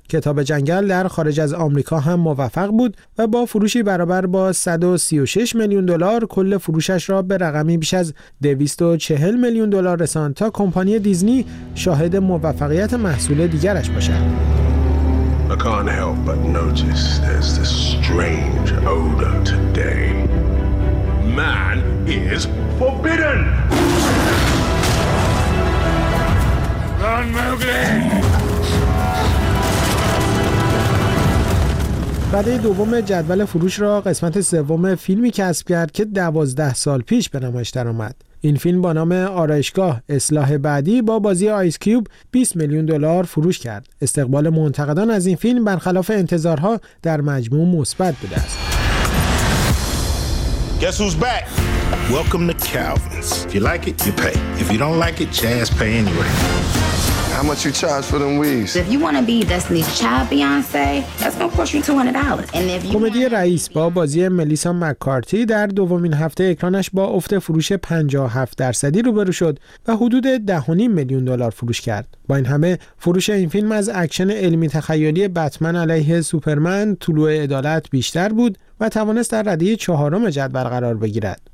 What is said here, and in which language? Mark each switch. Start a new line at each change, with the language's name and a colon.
Persian: کتاب جنگل در خارج از آمریکا هم موفق بود و با فروشی برابر با 136 میلیون دلار کل فروشش را به رقمی بیش از 240 میلیون دلار رساند تا کمپانی دیزنی شاهد موفقیت محصول دیگرش باشد.
English: I can't help but notice there's this strange odor today. Man is forbidden! Run, Mowgli!
Persian: رده دوم جدول فروش را قسمت سوم فیلمی کسب کرد که 12 سال پیش به نمایش درآمد. این فیلم با نام آرایشگاه اصلاح بعدی با بازی آیس کیوب 20 میلیون دلار فروش کرد. استقبال منتقدان از این فیلم برخلاف انتظارها در مجموع مثبت بوده است.
English: Guess who's back? Welcome to Calvin's. If you like it, you pay. If you don't like it, just pay anyway. How much you charge for them weaves? If you want to be Destiny's Child Beyonce, that's going to cost you $200. And if you
Persian: کمدی رئیس با بازی ملیسا مک‌کارتی در دومین هفته اکرانش با افت فروش 57% روبرو شد و حدود 10.5 میلیون دلار فروش کرد. با این همه فروش این فیلم از اکشن علمی تخیلی بتمن علیه سوپرمن طلوع عدالت بیشتر بود و توانست در رده چهارم جدول قرار بگیرد.